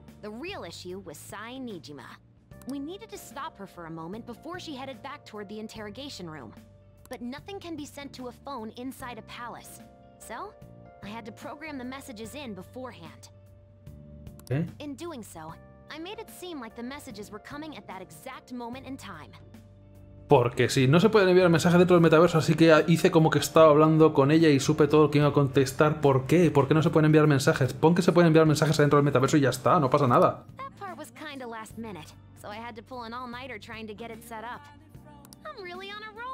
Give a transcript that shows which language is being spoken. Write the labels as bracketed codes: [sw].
[en] The real issue was Sai Nijima. We needed to stop her for a moment before she headed back toward the interrogation room. But nothing can be sent to a phone inside a palace. So, I had to program the messages in beforehand. [es] ¿Eh? [en] In doing so, I made it seem like the messages were coming at that exact moment in time. [es] Porque sí, no se puede enviar el mensaje dentro del metaverso, así que hice como que estaba hablando con ella y supe todo lo que iba a contestar. ¿Por qué? ¿Por qué no se pueden enviar mensajes? Pon que se pueden enviar mensajes dentro del metaverso y ya está, no pasa nada. [en] That part was kinda last minute. So I had to pull an all-nighter trying to get it set up. I'm really on a